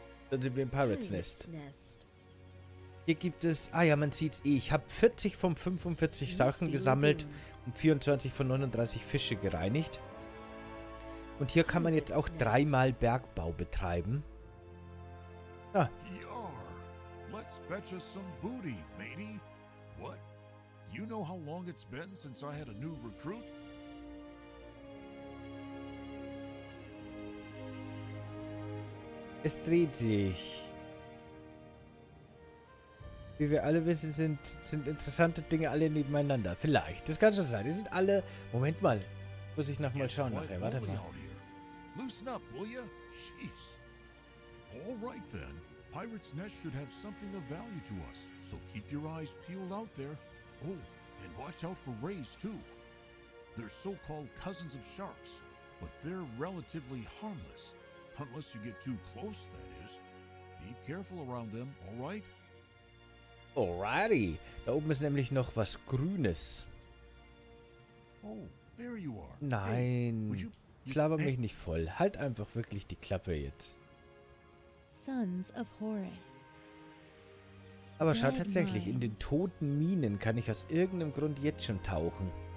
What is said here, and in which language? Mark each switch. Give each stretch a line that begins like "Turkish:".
German: Dann sind wir im Pirate's Nest. Hier gibt es. Ah ja, man sieht's eh. Ich habe 40 von 45 Sachen gesammelt und 24 von 39 Fische gereinigt. Und hier kann man jetzt auch dreimal Bergbau betreiben.
English: Yar, let's fetch us some booty, matey. What? You know how long it's been since I had a new recruit?
German: Es dreht sich. Wie wir alle wissen, sind interessante Dinge alle nebeneinander. Vielleicht. Das kann schon sein. Die sind alle. Moment mal. Muss ich nochmal schauen nachher. Warte mal.
English: Loosen up, will ya? Jeez. All right then. Pirate's Nest should have something of value to us. So keep your eyes peeled out there. Oh, and watch out for rays too. They're so-called cousins of sharks, but they're relatively harmless. Unless you get too close, that is. Be careful around them, all right? Alrighty.
German: Da oben ist nämlich noch was Grünes.
English: Oh, there you are.
German: Nein. Hey, ich laber mich nicht voll. Halt einfach wirklich die Klappe jetzt.
English: Sons of Horus.
German: Aber schau tatsächlich, in den toten Minen kann ich aus irgendeinem Grund jetzt schon tauchen.